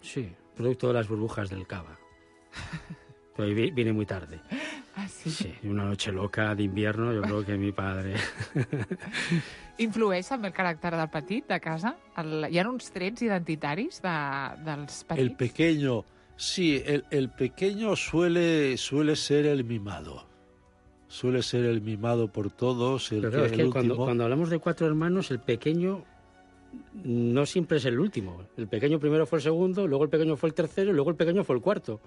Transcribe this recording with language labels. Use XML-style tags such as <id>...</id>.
<es>Sí, producto de las burbujas del cava. Pero vine muy tarde. Ah, sí? Sí, una noche loca de invierno, yo creo que mi padre...</es> <ca>¿Influeix amb el caràcter del petit de casa? Hi ha uns trets identitaris dels petits?</ca> <es>El pequeño... Sí, el pequeño suele ser el mimado. Suele ser el mimado por todos. El, pero claro, el es que cuando hablamos de cuatro hermanos, el pequeño no siempre es el último. El pequeño primero fue el segundo, luego el pequeño fue el tercero, luego el pequeño fue el cuarto.</es>